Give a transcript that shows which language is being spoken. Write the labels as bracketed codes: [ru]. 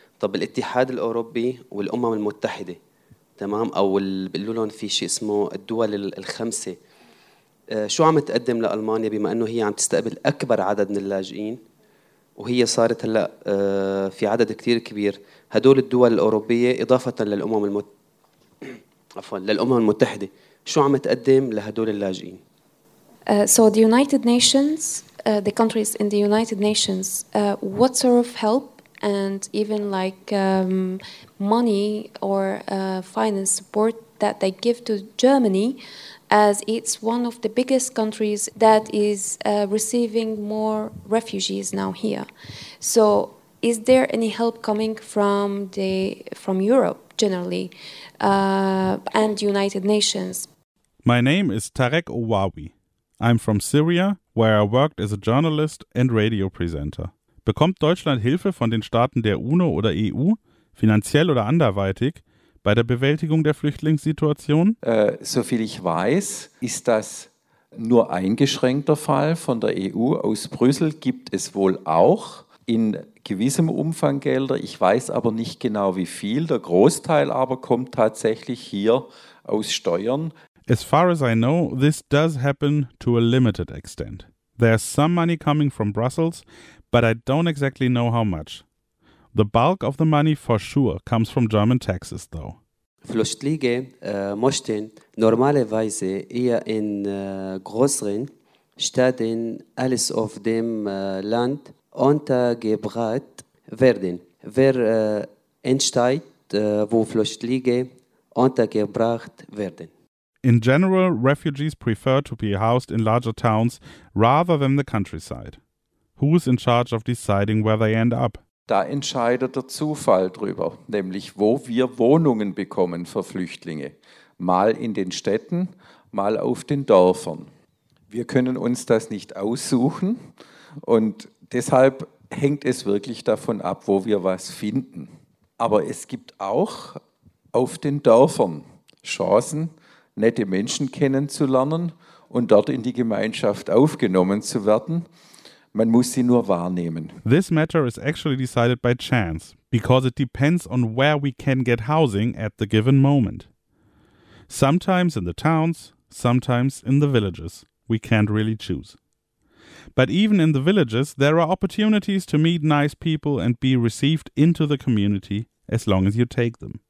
[ar] طب الاتحاد الاوروبي والامم المتحده، تمام، او بيقولوا لهم في شيء اسمه الدول الخمسه، شو عم تقدم لالمانيا بما انه هي عم تستقبل اكبر عدد من اللاجئين وهي صارت هلا في عدد كثير كبير؟ هدول الدول الاوروبيه اضافه للامم للامم المتحده، شو عم تقدم لهدول اللاجئين؟ [en] So the United Nations, the countries in the United Nations, what sort of help and even like money or finance support that they give to Germany, as it's one of the biggest countries that is receiving more refugees now here. So is there any help coming from Europe generally and United Nations. My name is Tarek Owawi. I'm from Syria, where I worked as a journalist and radio presenter. [de] Bekommt Deutschland Hilfe von den Staaten der UNO oder EU, finanziell oder anderweitig, bei der Bewältigung der Flüchtlingssituation? Soviel ich weiß, ist das nur eingeschränkter Fall von der EU. Aus Brüssel gibt es wohl auch in gewissem Umfang Gelder. Ich weiß aber nicht genau, wie viel. Der Großteil aber kommt tatsächlich hier aus Steuern. [en] As far as I know, this does happen to a limited extent. There's some money coming from Brussels, but I don't exactly know how much. The bulk of the money for sure comes from German taxes, though. [de] Flüchtlinge möchten normalerweise eher in größeren Städten als auf dem Land untergebracht werden. Wer entscheidet, wo Flüchtlinge untergebracht werden? [en] In general, refugees prefer to be housed in larger towns rather than the countryside. Who is in charge of deciding where they end up? [de] Da entscheidet der Zufall drüber, nämlich wo wir Wohnungen bekommen für Flüchtlinge. Mal in den Städten, mal auf den Dörfern. Wir können uns das nicht aussuchen und deshalb hängt es wirklich davon ab, wo wir was finden. Aber es gibt auch auf den Dörfern Chancen, nette Menschen kennenzulernen und dort in die Gemeinschaft aufgenommen zu werden. Man muss sie nur wahrnehmen. [en] This matter is actually decided by chance, because it depends on where we can get housing at the given moment. Sometimes in the towns, sometimes in the villages. We can't really choose. But even in the villages, there are opportunities to meet nice people and be received into the community as long as you take them.